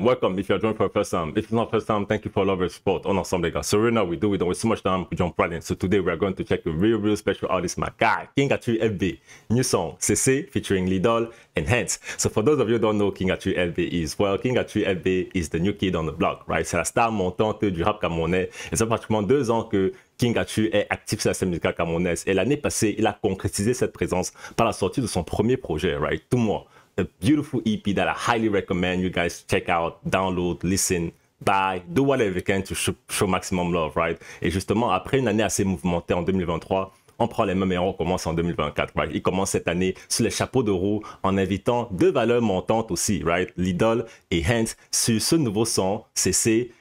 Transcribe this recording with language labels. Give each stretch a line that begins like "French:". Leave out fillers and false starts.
English: Welcome if you're joining for the first time. If it's not first time, thank you for love and support on Ensemble, guys. So right now, we don't waste so much time, we jump right in. So today, we are going to check a real, real special artist, my guy, King Atree FB. New song, CC, featuring Lidl and Hence. So for those of you who don't know, King Atree FB is, well, King Atree FB is the new kid on the block, right?
French: C'est la star montante du rap camerounais. Et ça fait pratiquement 2 ans que King Atree est actif sur la scène musicale camerounaise. Et l'année passée, il a concrétisé cette présence par la sortie de son premier projet, right? Tout moi.
English: A beautiful EP that I highly recommend you guys check out, download, listen, buy, do whatever you can to show maximum love, right?
French: Et justement, après une année assez mouvementée en 2023, on prend les mêmes et on recommence en 2024, right? Il commence cette année sur les chapeaux de roue en invitant 2 valeurs montantes aussi, right? Lidl et Hence sur ce nouveau son, CC.